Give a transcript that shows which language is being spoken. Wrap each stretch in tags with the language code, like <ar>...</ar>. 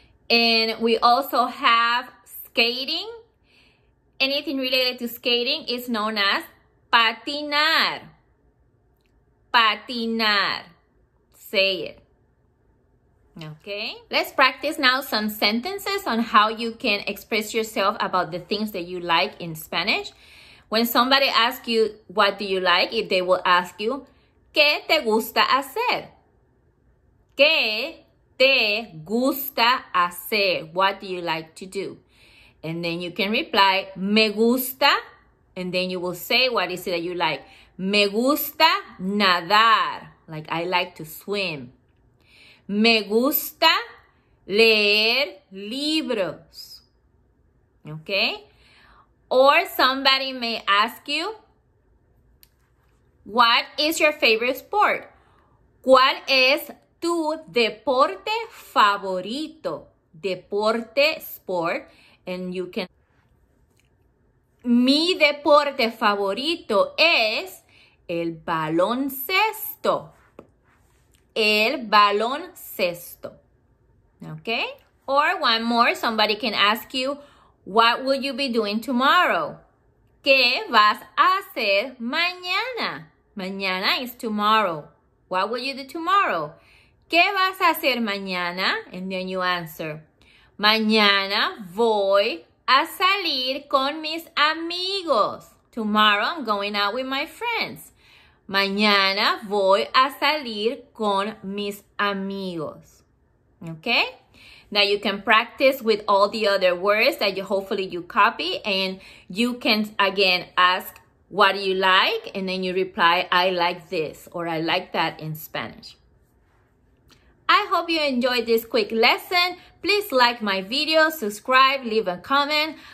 <en>And we also have skating. Anything related to skating is known as patinar. Patinar. Say it. Okay, let's practice now some sentences on how you can express yourself about the things that you like in Spanish. When somebody asks you, what do you like? If they will ask you,</en> <es>¿qué te gusta hacer? ¿Qué te gusta hacer?</es> <en>What do you like to do? And then you can reply,</en> <es>me gusta.</es> <en>And then you will say, what is it that you like?</en> <es>Me gusta nadar.</es> <en>Like, I like to swim.</en> <es>Me gusta leer libros. Okay?</es> <en>Or somebody may ask you, what is your favorite sport?</en> <es>¿Cuál es tu deporte favorito? Deporte, sport.</es> <en>And you can...</en> <es>Mi deporte favorito es el baloncesto. El baloncesto. Okay?</es> <en>Or one more, somebody can ask you, what will you be doing tomorrow?</en> <es>¿Qué vas a hacer mañana?</es> <en>Mañana is tomorrow. What will you do tomorrow?</en> <es>¿Qué vas a hacer mañana?</es> <en>And then you answer,</en> <es>mañana voy a salir con mis amigos.</es> <en>Tomorrow I'm going out with my friends.</en> <es>Mañana voy a salir con mis amigos.</es> <en>Okay? Now you can practice with all the other words that you hopefully you copy. And you can, again, ask, what do you like? And then you reply, I like this or I like that in Spanish. I hope you enjoyed this quick lesson. Please like my video, subscribe, leave a comment.</en>